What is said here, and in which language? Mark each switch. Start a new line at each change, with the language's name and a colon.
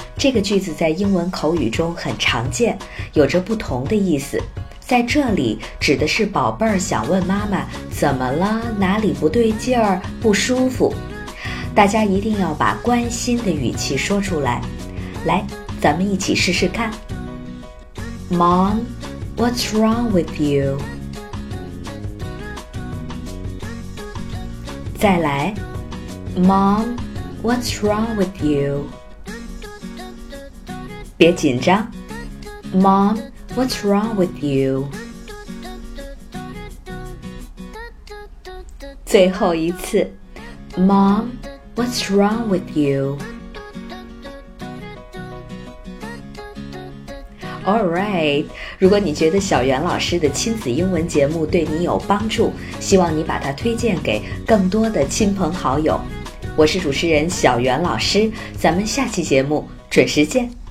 Chinese: 这个句子在英文口语中很常见，有着不同的意思。在这里指的是宝贝儿想问妈妈怎么了，哪里不对劲儿，不舒服。大家一定要把关心的语气说出来，来。咱们一起试试看。
English: Mom, what's wrong with you?
Chinese: 再来。
English: Mom, what's wrong with you?
Chinese: 别紧张。
English: Mom, what's wrong with you?
Chinese: 最后一次。
English: Mom, what's wrong with you?
Chinese: Alright, 如果你觉得小袁老师的亲子英文节目对你有帮助，希望你把它推荐给更多的亲朋好友。我是主持人小袁老师，咱们下期节目准时见。